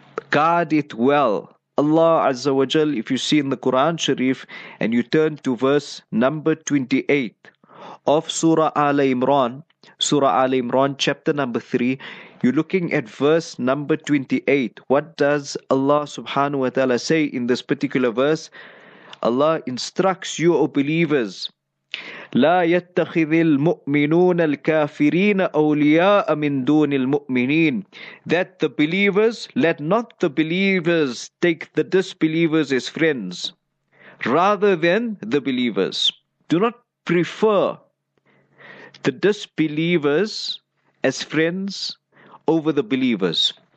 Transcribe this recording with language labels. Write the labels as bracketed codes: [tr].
[en] Guard it well. Allah Azza wa Jal, if you see in the Quran Sharif and you turn to verse number 28 of Surah Ala Imran, Surah Ali Imran, chapter number 3. You're looking at verse number 28. What does Allah subhanahu wa ta'ala say in this particular verse? Allah instructs you, O believers, [ar] لا يتخذ المؤمنون الكافرين أولياء من دون المؤمنين. [en] That the believers, let not the believers take the disbelievers as friends, rather than the believers. Do not prefer the disbelievers as friends over the believers.